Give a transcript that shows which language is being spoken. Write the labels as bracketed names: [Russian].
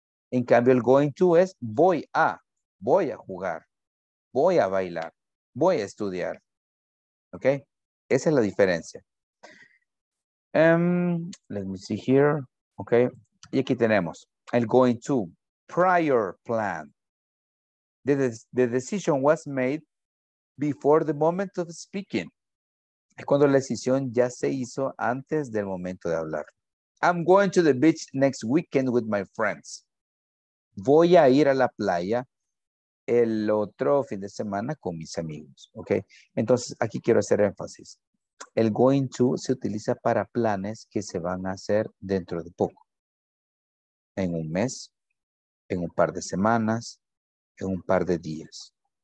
[Spanish] En cambio, el going to es voy a jugar, voy a bailar, voy a estudiar. ¿Ok? Esa es la diferencia. [English] Let me see here. [Spanish] Okay. Y aquí tenemos el going to prior plan. [English] The decision was made before the moment of speaking. [Spanish] Es cuando la decisión ya se hizo antes del momento de hablar. [English] I'm going to the beach next weekend with my friends. [Spanish] Voy a ir a la playa el otro fin de semana con mis amigos. Okay. Entonces aquí quiero hacer énfasis. El going to se utiliza para planes que se van a hacer dentro de poco. En un mes, en un par de semanas, en un par de días.